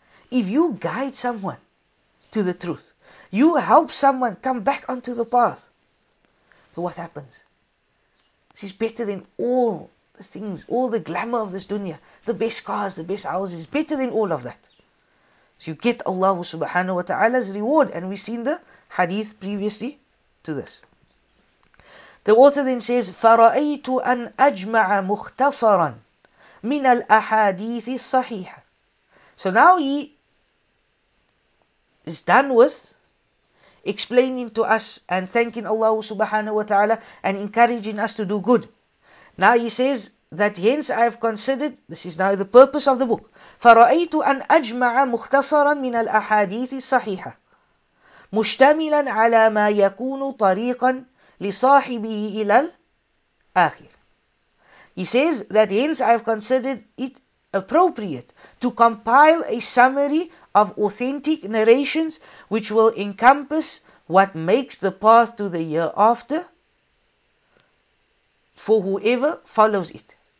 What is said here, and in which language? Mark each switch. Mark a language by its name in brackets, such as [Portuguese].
[English] If you guide someone to the truth, you help someone come back onto the path, but what happens? This is better than all the things, all the glamour of this dunya. The best cars, the best houses, is better than all of that. So you get Allah subhanahu wa ta'ala's reward. And we've seen the hadith previously to this. The author then says, [Arabic] فَرَأَيْتُ أَنْ أَجْمَعَ مُخْتَصَرًا مِنَ الْأَحَادِيثِ الصَّحِيحَةِ. [English] So now he is done with explaining to us and thanking Allah subhanahu wa ta'ala and encouraging us to do good. Now he says, that hence I have considered, this is now the purpose of the book. [Arabic] فَرَأَيْتُ أَنْ أَجْمَعَ مُخْتَصَرًا مِنَ الْأَحَادِيثِ الصَّحِيحَةِ مُشْتَمِلًا عَلَى مَا يَكُونُ طَرِيقًا لِصَاحِبِهِ إِلَى الْآخِرِ. [English] He says that hence I have considered it appropriate to compile a summary of authentic narrations which will encompass what makes the path to the year after for whoever follows it.